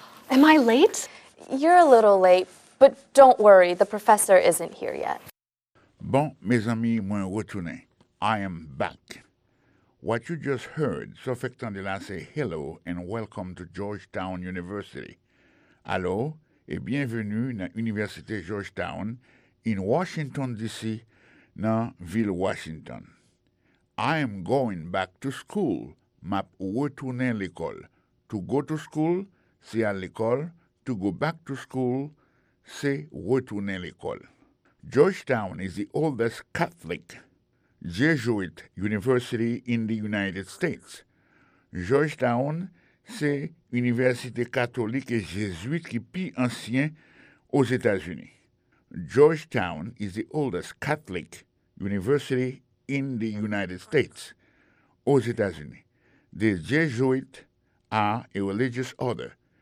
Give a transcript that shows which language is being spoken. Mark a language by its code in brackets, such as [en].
[en] Am I late? You're a little late, but don't worry, the professor isn't here yet. [fr] Bon, mes amis, moi retourné. [en] I am back. What you just heard, Sophie Tandela say hello and welcome to Georgetown University. [fr] Allô et bienvenue dans l'Université Georgetown [en] in Washington, D.C., [fr] dans Ville Washington. [en] I am going back to school. [fr] Map retourné l'école. [en] To go to school, [fr] c'est à l'école. [en] To go back to school, [fr] c'est retourné l'école. [en] Georgetown is the oldest Catholic Jesuit university in the United States. [fr] Georgetown, c'est université catholique et jésuite qui plus ancien aux États-Unis. [en] Georgetown is the oldest Catholic university in the United States, [fr] aux États-Unis. [en] The Jesuits are a religious order.